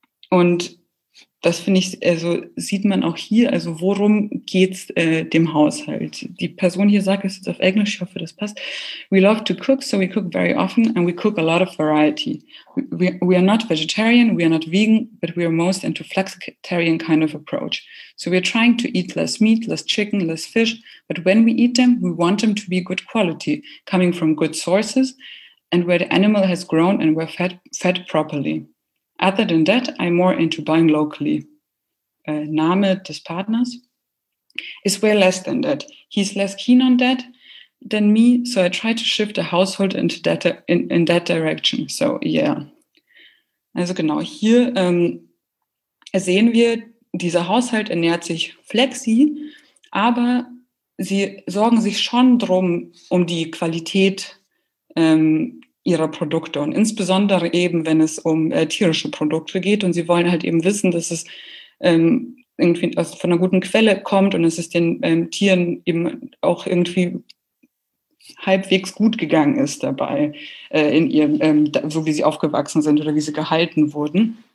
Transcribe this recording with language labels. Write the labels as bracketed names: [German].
[German] Und das finde ich, also sieht man auch hier, also worum geht's dem Haushalt? Die Person hier sagt, es ist auf Englisch, ich hoffe, das passt. [English] We love to cook, so we cook very often and we cook a lot of variety. We are not vegetarian, we are not vegan, but we are most into flexitarian kind of approach. So we are trying to eat less meat, less chicken, less fish, but when we eat them, we want them to be good quality, coming from good sources and where the animal has grown and we're fed properly. Other than that, I'm more into buying locally. Name des Partners is way less than that. He's less keen on that than me, so I try to shift the household into that in that direction. So, yeah. [German] Also genau, hier sehen wir, dieser Haushalt ernährt sich flexi, aber sie sorgen sich schon drum, um die Qualität ihrer Produkte und insbesondere eben, wenn es um tierische Produkte geht und sie wollen halt eben wissen, dass es irgendwie von einer guten Quelle kommt und dass es den Tieren eben auch irgendwie halbwegs gut gegangen ist dabei, in ihrem, so wie sie aufgewachsen sind oder wie sie gehalten wurden.